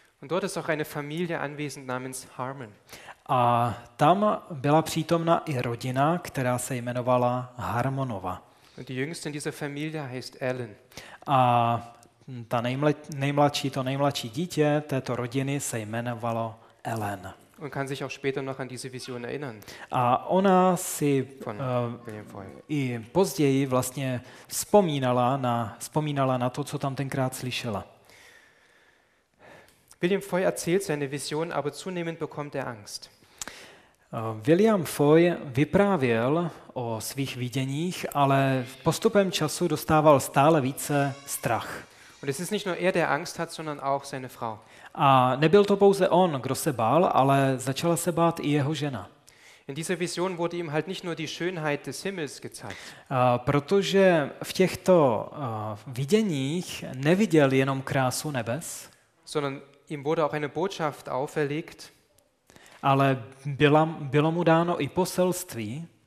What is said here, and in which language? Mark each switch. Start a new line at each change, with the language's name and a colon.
German: Und dort ist auch eine Familie anwesend namens Harmon.
Czech: A tam byla přítomna i rodina, která se jmenovala Harmonova.
German: Und die jüngste in dieser Familie heißt Ellen.
Czech: A ta nejmladší dítě této rodiny se jmenovalo Ellen.
German: Und kann sich auch später noch an diese Vision erinnern.
Czech: A ona si i později vlastně vzpomínala na to, co tam tenkrát slyšela.
German: William Foy erzählt seine Vision, aber zunehmend bekommt er Angst.
Czech: William Foy vyprávěl o svých viděních, ale postupem času dostával stále více strach.
German: Und es ist nicht nur er, der Angst hat, sondern auch seine Frau.
Czech: A nebyl to pouze on, kdo se bál, ale začala se bát i jeho žena.
German: In dieser Vision wurde ihm halt nicht nur die Schönheit des Himmels gezeigt.
Czech: Protože v těchto viděních neviděl jenom krásu nebes,
German: sondern ihm wurde auch eine Botschaft auferlegt.
Czech: Ale bylo mu dáno i poselství,